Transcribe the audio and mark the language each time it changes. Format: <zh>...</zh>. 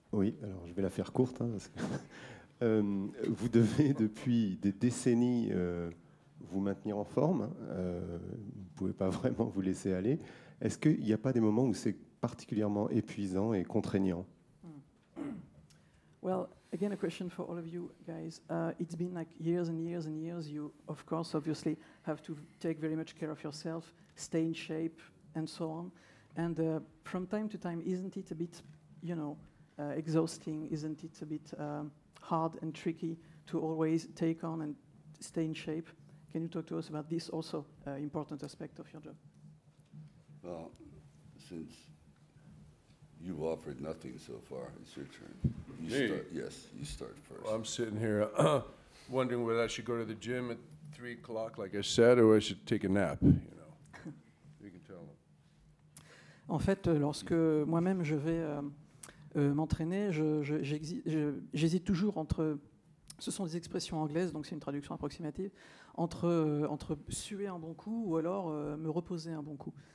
<fr>Oui, alors je vais la faire courte. Hein, parce que vous devez depuis des décennies... vous maintenir en forme, vous ne pouvez pas vraiment vous laisser aller. Est-ce qu'il n'y a pas des moments où c'est particulièrement épuisant et contraignant?</fr> <en>Well, again, a question for all of you guys. It's been like years and years and years. You, of course, obviously, have to take very much care of yourself, stay in shape, and so on. And from time to time, isn't it a bit, you know, exhausting? Isn't it a bit hard and tricky to always take on and stay in shape? Can you talk to us about this also important aspect of your job? Well, since you've offered nothing so far, it's your turn. You Me? Start, yes, you start first. Well, I'm sitting here wondering whether I should go to the gym at 3 o'clock, like I said, or I should take a nap, you know. You can tell them.</en> <fr>En fait, lorsque moi-même je vais m'entraîner, j'hésite toujours entre... Ce sont des expressions anglaises, donc c'est une traduction approximative, entre suer un bon coup ou alors me reposer un bon coup.</fr>